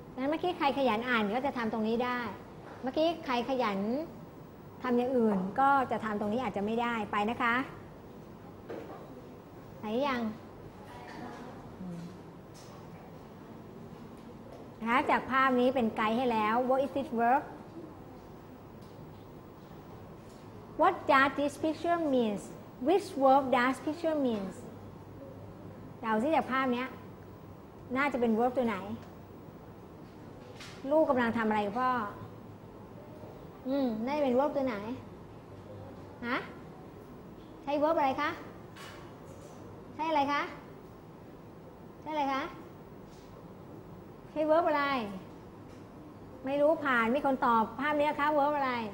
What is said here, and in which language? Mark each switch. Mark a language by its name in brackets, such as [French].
[Thai] เมื่อกี้ใครขยันอ่านก็จะทำตรงนี้ได้เมื่อกี้ใครขยันทำอย่างอื่นก็จะทำตรงนี้อาจจะไม่ได้ไปนะคะไปหรือยังนะคะจากภาพนี้เป็นไกด์ให้แล้ว [English] What is this work? What does this picture means? Which work does picture means? [Thai] เดาซิจากภาพนี้น่าจะเป็น work ตัวไหนลูกกำลังทำอะไรพ่ออืมน่าจะเป็น verb ตัวไหนฮะใช้ verb อะไรคะใช้อะไรคะใช้อะไรคะใช้ verb อะไรไม่รู้ผ่านมีคนตอบภาพนี้คะ verb อะไร